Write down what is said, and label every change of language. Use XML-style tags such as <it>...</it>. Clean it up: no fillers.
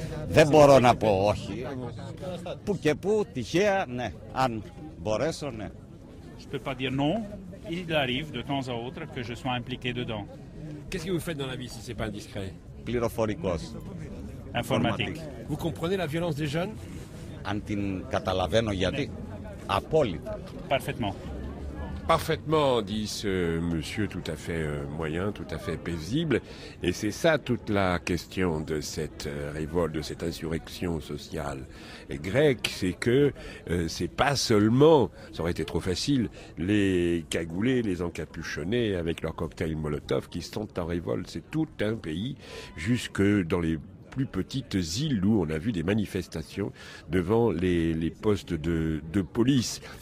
<el>Δεν μπορώ να πω όχι. Πού και πού, τυχαία, ναι. Αν μπορέσω, ναι.</el> <fr>Je ne peux pas dire non. Il arrive de temps à autre que je sois impliqué dedans. Qu'est-ce que vous faites dans la vie si ce n'est pas indiscret?</fr> <el>Πληροφορικός.</el> <fr>Informatique. Vous comprenez la violence des jeunes?</fr> <el>Αν την καταλαβαίνω γιατί. Απόλυτα.</el> <fr>Parfaitement. Parfaitement, dit ce monsieur tout à fait moyen, tout à fait paisible. Et c'est ça toute la question de cette révolte, de cette insurrection sociale grecque, c'est que c'est pas seulement, ça aurait été trop facile, les cagoulés, les encapuchonnés avec leur cocktail Molotov qui sont en révolte, c'est tout un pays, jusque dans les plus petites îles où on a vu des manifestations devant les postes de police.</fr>